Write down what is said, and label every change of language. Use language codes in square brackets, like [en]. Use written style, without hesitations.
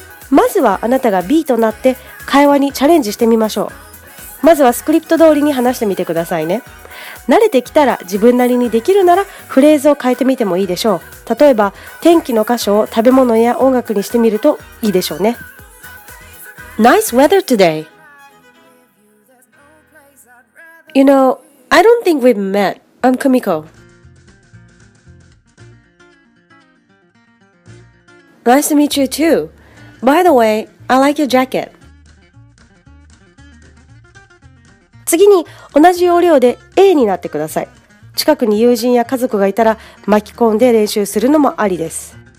[ja] まずはあなたが B となって会話にチャレンジしてみましょう。まずはスクリプト通りに話してみてくださいね。慣れてきたら自分なりにできるならフレーズを変えてみてもいいでしょう。例えば天気の箇所を食べ物や音楽にしてみるといいでしょうね。 [en] Nice weather today. You know, I don't think we've met. I'm Kumiko. Nice to meet you too. By the way, I like your jacket. [ja] 次に同じ要領で A になってください。近くに友人や家族がいたら巻き込んで練習するのもありです。